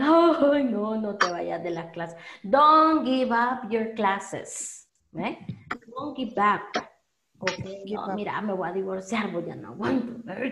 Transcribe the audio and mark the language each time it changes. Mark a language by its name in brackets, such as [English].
[Spanish] Oh, no, no te vayas de las clases. [English] Don't give up your classes, eh? Don't give up, [Spanish] Okay, no, mira, me voy a divorciar, voy a no aguanto.